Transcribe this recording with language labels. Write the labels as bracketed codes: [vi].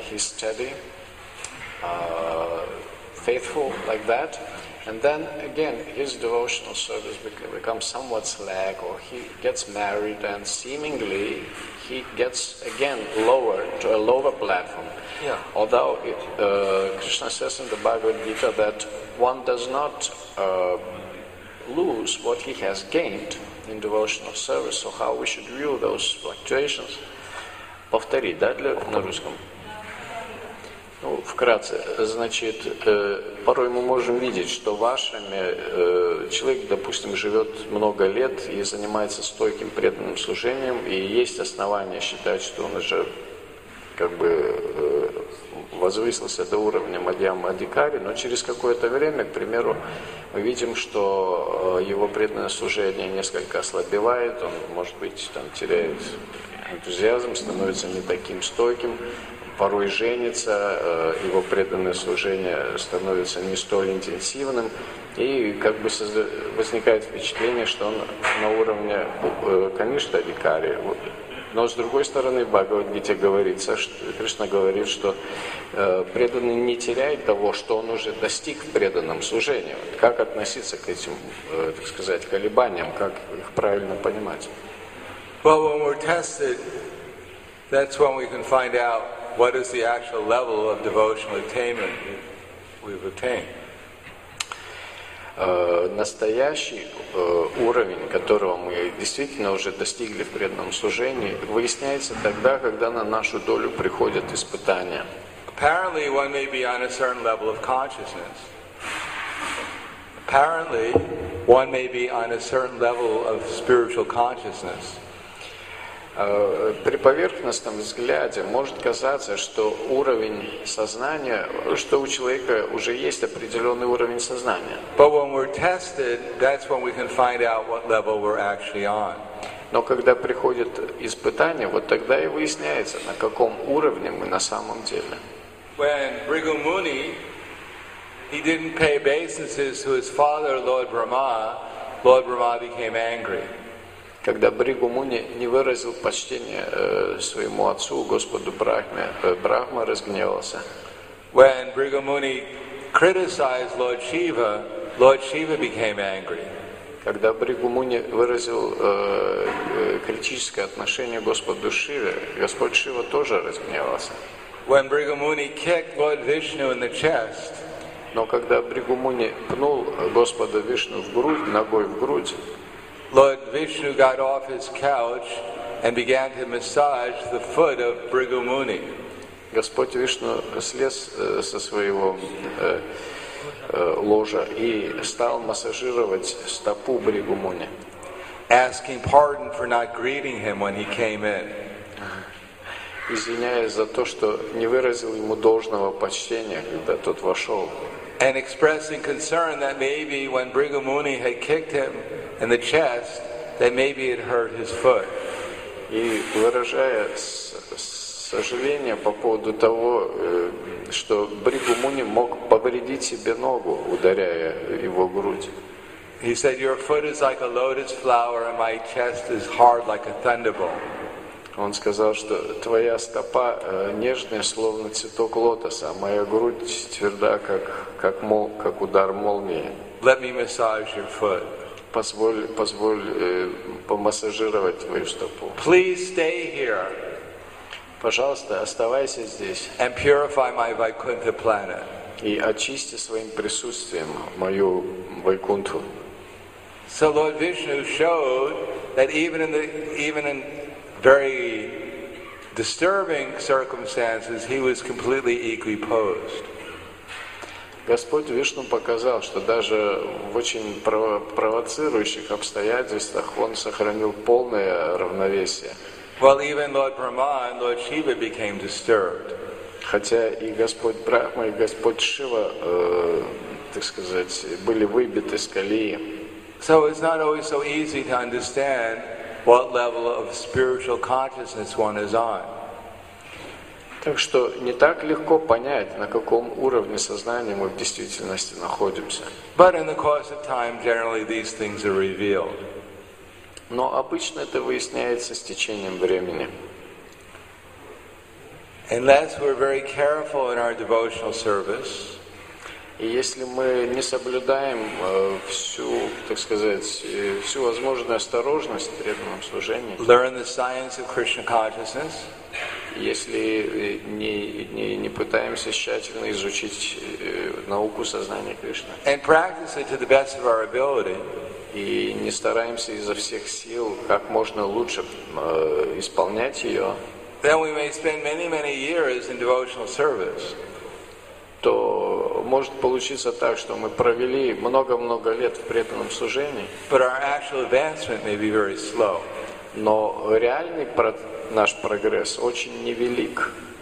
[en] He's steady, faithful like that, and then again his devotional service becomes somewhat slack, or he gets married, and seemingly he gets again lower to a lower platform. Yeah. Although Krishna says in the Bhagavad Gita that one does not lose what he has gained in devotional service, so how we should view those fluctuations? [ru] Повтори, да, на русском. Ну, вкратце, значит, порой мы можем видеть, что в ашраме человек, допустим, живет много лет и занимается стойким преданным служением, и есть основания считать, что он уже как бы возвысился до уровня Мадхьямадхикари, но через какое-то время, к примеру, мы видим, что его преданное служение несколько ослабевает, он, может быть, там теряет энтузиазм, становится не таким стойким. Порой женится, его преданное служение становится не столь интенсивным, и как бы возникает впечатление, что он на уровне Каништа-адикари. Но с другой стороны, Бхагавад-гите говорится, что Кришна говорит, что преданный не теряет того, что он уже достиг в преданном служении. Как относиться к этим, так сказать, колебаниям, как их правильно понимать? [en] Well, when we're tested, that's when we can find out what is the actual level of devotional attainment we've attained. [ru] настоящий уровень, которого мы действительно уже достигли в преданном служении, выясняется тогда, когда на нашу долю приходят испытания. [en] Apparently, one may be on a certain level of consciousness. Apparently, one may be on a certain level of spiritual consciousness. [ru] При поверхностном взгляде может казаться, что уровень сознания, что у человека уже есть определенный уровень сознания. [en] But when we're tested, that's when we can find out what level we're actually on. [ru] Но когда приходит испытание, вот тогда и выясняется, на каком уровне мы на самом деле. [en] When Bhrigu Muni, he didn't pay obeisances to his father, Lord Brahma became angry. [ru] Когда Бригу Муни не выразил почтения своему отцу, Господу Брахме, Брахма разгневался. [en] When Bhrigu Muni criticized Lord Shiva, Lord Shiva became angry. [ru] Когда Бригу Муни выразил критическое отношение Господу Шиве, Господь Шива тоже разгневался. [en] When Bhrigu Muni kicked Lord Vishnu in the chest, [ru] но когда Бригу Муни пнул Господа Вишну в грудь, ногой в грудь, [en] Lord Vishnu got off his couch and began to massage the foot of Bhrigu Muni. [ru] Господь Вишну слез со своего ложа и стал массажировать стопу Бригу Муни, [en] asking pardon for not greeting him when he came in. [ru] Извиняясь за то, что не выразил ему должного почтения, когда тот вошел. [en] And expressing concern that maybe when Bhrigu Muni had kicked him in the chest, that maybe it hurt his foot. [ru] И выражая сожаление по поводу того, что Бригу Муни мог повредить себе ногу, ударяя его грудь. [en] He said, "Your foot is like a lotus flower, and my chest is hard like a thunderbolt." [ru] Он сказал, что твоя стопа нежная, словно цветок лотоса, а моя грудь тверда, как удар молнии. [en] Let me massage your foot. [ru] Позволь помассажировать твою стопу. [en] Please stay here. [ru] Пожалуйста, оставайся здесь. [en] And purify my Vaikuntha planet. [ru] И очисти своим присутствием мою Вайкунту. [en] So Lord Vishnu showed that even in very disturbing circumstances, he was completely equipoised. [ru] Господь Вишну показал, что даже в очень провоцирующих обстоятельствах он сохранил полное равновесие. [en] Well, even Lord Brahma and Lord Shiva became disturbed. [ru] Хотя и Господь Брахма, и Господь Шива, так сказать, были выбиты из колеи. [en] So it's not always so easy to understand what level of spiritual consciousness one is on. [ru] Так что не так легко понять, на каком уровне сознания мы в действительности находимся. [en] But in the course of time, generally these things are revealed. [ru] Но обычно это выясняется с течением времени. [en] Unless we're very careful in our devotional service. [ru] И если мы не соблюдаем всю, так сказать, всю возможную осторожность в преданном служении, [en] learn the science of Krishna consciousness, [ru] если не пытаемся тщательно изучить науку сознания Кришны, [en] and practice it to the best of our ability, [ru] и не стараемся изо всех сил как можно лучше исполнять ее, [en] then we may spend many, many years in devotional service. [ru] То может получиться так, что мы провели много-много лет в преданном служении. [en] But our actual advancement may be very slow. [ru] Но реальный наш прогресс очень невелик.